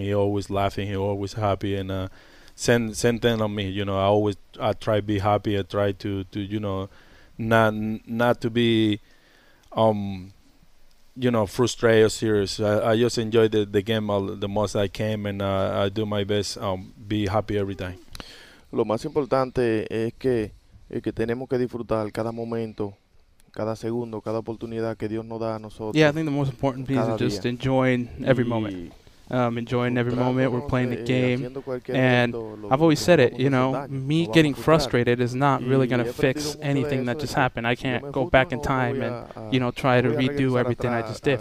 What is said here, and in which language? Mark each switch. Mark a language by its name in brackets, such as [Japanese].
[English] He always laughing, he always happy. And same thing on me, you know. I try to be happy. I try to you know, not to be, you know, frustrated or serious. I just enjoy the game the most I can, and I do my best be happy every time. [Spanish] Lo más importante es que tenemos que disfrutar cada momento, cada segundo, cada oportunidad que Dios nos da a nosotros. [English] Yeah, I think the most important piece is just enjoying every moment. Enjoying every moment we're playing the game. And I've always said it, you know, me getting frustrated is not really going to fix anything that just happened. I can't go back in time and, you know, try to redo everything I just did.